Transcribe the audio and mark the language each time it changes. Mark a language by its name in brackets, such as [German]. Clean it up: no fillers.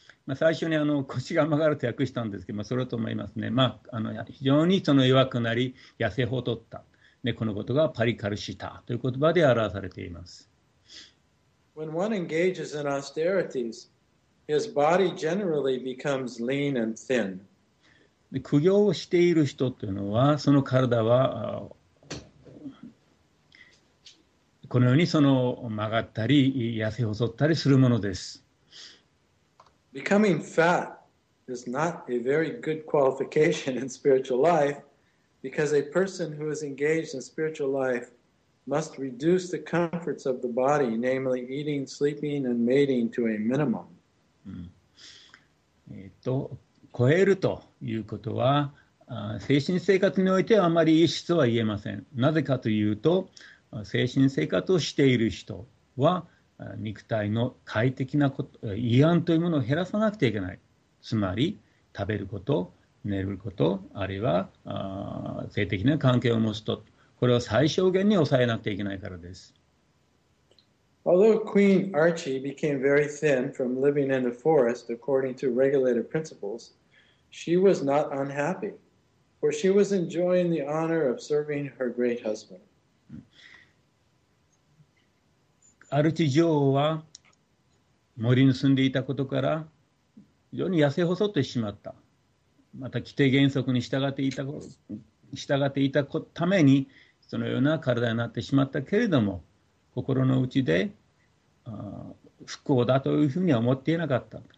[Japanese] まあ、最初にあの腰が曲がると訳したんですけど、まあ、それと思いますね。まあ、あの非常にその弱くなり、痩せ細った。で、このことがパリカルシタという言葉で表されています。 [English] When one engages in austerities, his body generally becomes lean and thin. [Japanese] で、苦行をしている人というのは、その体はこのようにその曲がったり、痩せ細ったりするものです。 [English] Becoming fat is not a very good qualification in spiritual life because a person who is engaged in spiritual life must reduce the comforts of the body, namely eating, sleeping, and mating to a minimum. [Japanese] 超えるということは、精神生活においてあまりいい質は言えません。なぜかというと、精神生活をしている人は肉体の快適なこと、慰安というものを減らさなくてはいけない。つまり、食べること、寝ること、あるいは性的な関係を持つと、これを最小限に抑えなくてはいけないからです。 [English] Although Queen Archie became very thin from living in the forest according to regulated principles, she was not unhappy, for she was enjoying the honor of serving her great husband. [Japanese] アルチ女王は森に住んでいたことから非常に痩せ細ってしまった。また規定原則に従っていたためにそのような体になってしまったけれども、心の内で不幸だというふうには思っていなかった。